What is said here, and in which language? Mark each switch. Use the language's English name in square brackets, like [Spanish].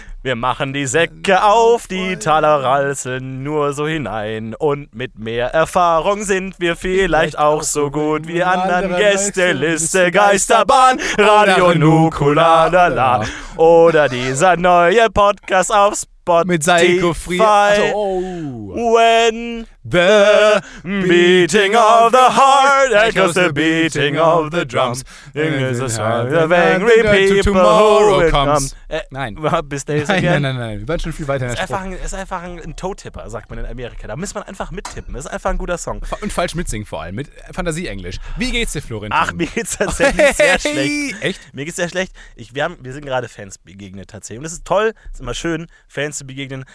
[German] Wir machen die Säcke auf, die Taler rasseln nur so hinein und mit mehr Erfahrung sind wir vielleicht auch so gut wie anderen Gäste, Liste, Geisterbahn, Radio Nukulalala oder dieser neue Podcast auf Spotify. Mit Seiko Free. Also, oh. [English] When the beating of the heart echoes the beating of the drums. It is a song of angry people who will come. [German] Nein. Bis dahin. Nein. Wir waren schon viel weiter. Ist einfach ein Toe-Tipper, sagt man in Amerika. Da muss man einfach mittippen. Ist einfach ein guter Song. Und falsch mitsingen vor allem. Mit Fantasie-Englisch. Wie geht's dir, Florentin? Ach, mir geht's tatsächlich sehr schlecht. Echt? Mir geht's sehr schlecht. Wir sind gerade Fans begegnet tatsächlich. Und es ist toll, es ist immer schön, Fans zu begegnen.